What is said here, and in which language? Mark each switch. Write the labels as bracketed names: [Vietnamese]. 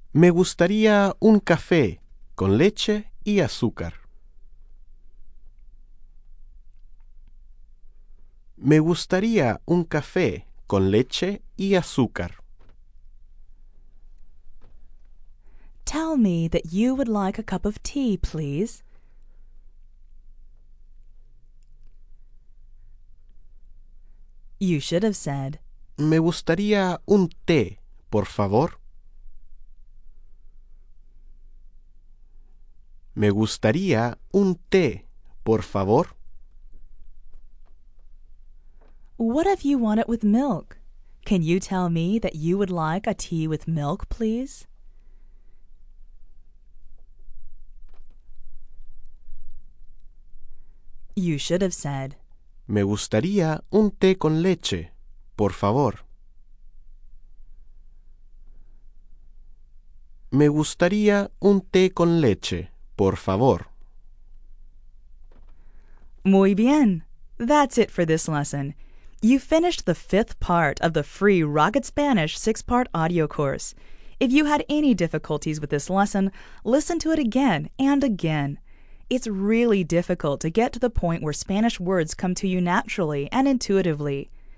[Spanish] me gustaría un café con leche y azúcar. Me gustaría un café con leche y azúcar. [English] Tell me that you would like a cup of tea, please. You should have said, [Spanish] me gustaría un té, por favor. Me gustaría un té, por favor. [English] What if you want it with milk? Can you tell me that you would like a tea with milk, please? You should have said, [Spanish] me gustaría un té con leche, por favor. Me gustaría un té con leche, por favor. Muy bien. [English] That's it for this lesson. You finished the fifth part of the free Rocket Spanish 6-part audio course. If you had any difficulties with this lesson, listen to it again and again. It's really difficult to get to the point where Spanish words come to you naturally and intuitively.